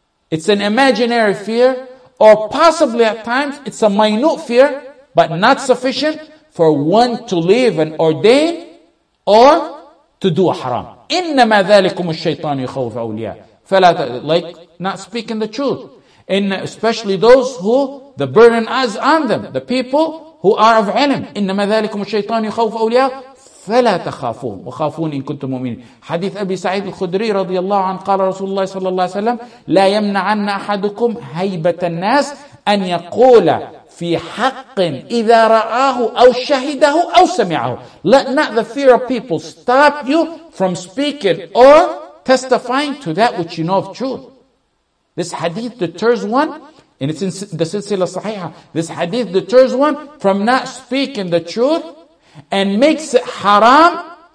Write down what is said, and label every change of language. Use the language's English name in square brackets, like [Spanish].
[English] It's an imaginary fear, or possibly at times, it's a minute fear, but not sufficient for one to leave an ordain or to do a haram. [Arabic] إِنَّمَا ذَلِكُمُ الشَّيْطَانُ يُخَوْفَ أَوْلِيَا فَلَا [English] Like, not speaking the truth. And especially those who, the burden is on them, the people who are of ilm. [Arabic] إِنَّمَا ذَلِكُمُ الشَّيْطَانُ يُخَوْفَ أَوْلِيَا فلا تخافون وخافون إن كنتم مؤمنين حديث أبي سعيد الخدري رضي الله عنه قال رسول الله صلى الله عليه وسلم لا يمنعن أحدكم هيبة الناس أن يقول في حق إذا رآه أو شهده أو سمعه. [English] Let not the fear of people stop you from speaking or testifying to that which you know of truth. This hadith deters one, and it's in the Silsila Sahiha. This hadith deters one from not speaking the truth and makes it haram.